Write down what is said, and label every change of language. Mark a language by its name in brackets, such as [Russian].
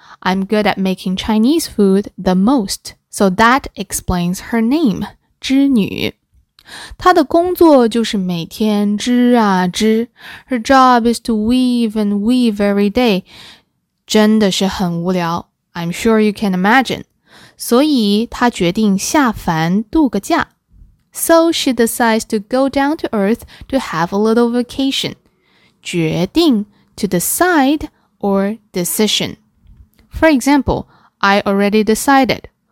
[English] I'm good at making Chinese food the most. So that explains her name, 织女。 [Chinese] 她的工作就是每天织啊织。 [English] Her job is to weave and weave every day. [Chinese] 真的是很无聊。 [English] I'm sure you can imagine. [Chinese] 所以她决定下凡度个假。 [English] So she decides to go down to earth to have a little vacation. 决定。 To decide or decision. For example, I already decided.